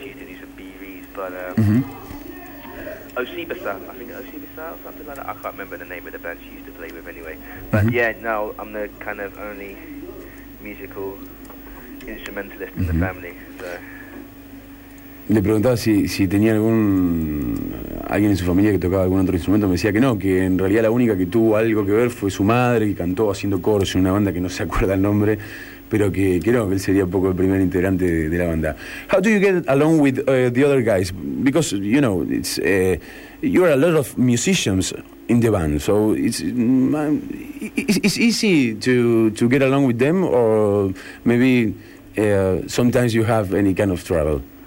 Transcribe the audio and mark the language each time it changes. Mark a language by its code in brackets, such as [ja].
[en] She used to do some BVs, but Osibasa, something like that. I can't remember the name of the band she used to play with anyway. But mm-hmm. yeah, now I'm the kind of only musical instrumentalist mm-hmm. in the family, so. [es] Le preguntaba si tenía alguien en su familia que tocaba algún otro instrumento. Me decía que no, que en realidad la única que tuvo algo que ver fue su madre, que cantó haciendo coros en una banda que no se acuerda el nombre, pero que no, que él sería un poco el primer integrante de la banda. [en] How do you get along with the other guys? Because, you know, it's you are a lot of musicians in the band, so it's easy to get along with them, or maybe sometimes you have any kind of trouble.